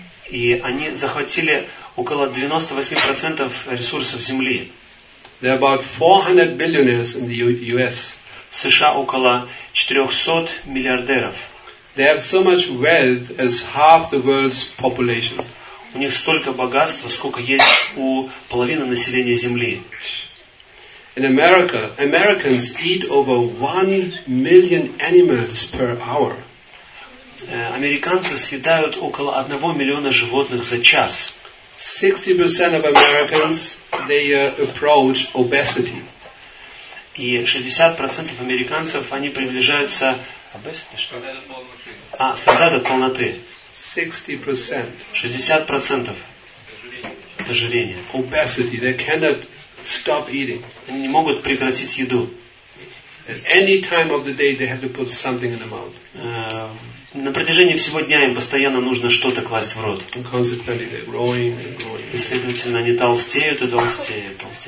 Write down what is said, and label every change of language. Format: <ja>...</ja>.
<ru>И они захватили около 98% ресурсов Земли.</ru> <en>There are about 400 billionaires in the U.S.</en> <ru>США около 400 миллиардеров.</ru> <en>They have so much wealth as half the world's population.</en> <ru>У них столько богатства, сколько есть у половины населения Земли.</ru> <en>In America, Americans eat over 1 million animals per hour.</en> <ru>Американцы съедают около 1 миллиона животных за час.</ru> <en>60% of Americans they approach obesity.</en> <ru>И 60% американцев они приближаются обесити что? А страдают от полноты. 60%. 60% ожирения.</ru> <en>Obesity. They cannot stop eating.</en> <ru>Они не могут прекратить еду.</ru> <en>At any time of the day, they have to put something in the mouth.</en> <ru>На протяжении всего дня им постоянно нужно что-то класть в рот.</ru> <en>And growing.</en> <ru>И, следовательно, они толстеют и толстеют.</ru>